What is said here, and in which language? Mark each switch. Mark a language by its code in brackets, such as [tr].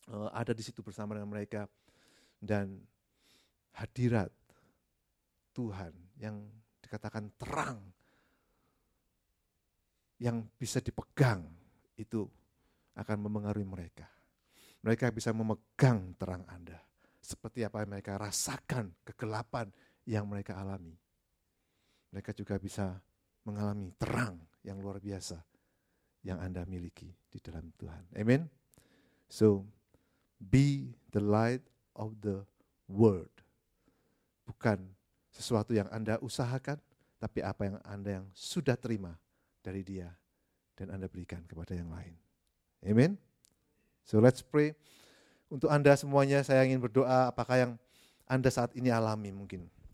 [id] ada di situ bersama dengan mereka dan hadirat Tuhan yang dikatakan terang, yang bisa dipegang, itu akan memengaruhi mereka. Mereka bisa memegang terang Anda, seperti apa yang mereka rasakan, kegelapan yang mereka alami. Mereka juga bisa mengalami terang yang luar biasa, yang Anda miliki di dalam Tuhan. Amen. [en] So, be the light of the world. [id] Bukan sesuatu yang Anda usahakan, tapi apa yang Anda yang sudah terima dari dia dan Anda berikan kepada yang lain. Amen. [en] So let's pray. [id] Untuk Anda semuanya, saya ingin berdoa apakah yang Anda saat ini alami mungkin.